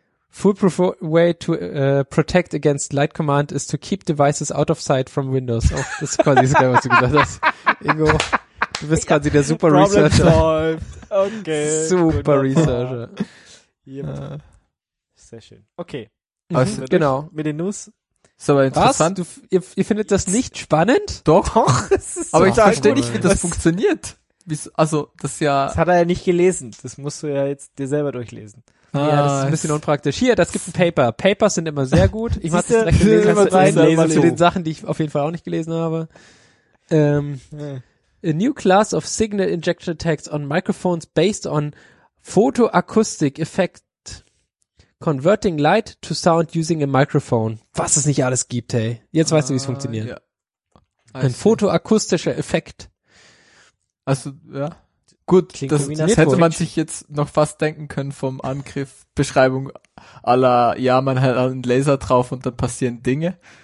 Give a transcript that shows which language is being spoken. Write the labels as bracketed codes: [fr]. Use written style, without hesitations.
[en] Foolproof way to protect against light command is to keep devices out of sight from Windows. [de] Oh, das ist quasi so geil, was du gesagt hast. Ingo. Du bist quasi der super [en] Problem Researcher. Solved. Okay. Super Researcher. [de] Yep. Sehr schön. Okay. Also, genau. Mit den News. Ist aber interessant. Was? Ihr findet das nicht spannend? Doch. Doch. Aber ich verstehe nicht, wie das funktioniert. Das hat er ja nicht gelesen. Das musst du ja jetzt dir selber durchlesen. Ah, ja, das ist ein bisschen unpraktisch. Hier, das gibt ein Paper. Papers sind immer sehr gut. Ich mach das direkt immer rein zu den Sachen, die ich auf jeden Fall auch nicht gelesen habe. [en] A new class of signal injection attacks on microphones based on photoacoustic effect converting light to sound using a microphone. [de] Was es nicht alles gibt, hey. Jetzt weißt du, wie es funktioniert. [en] Yeah. [de] Ein photoakustischer Effekt. Also, ja. Gut, das hätte man sich jetzt noch fast denken können vom Angriff, Beschreibung aller, ja, man hat einen Laser drauf und dann passieren Dinge.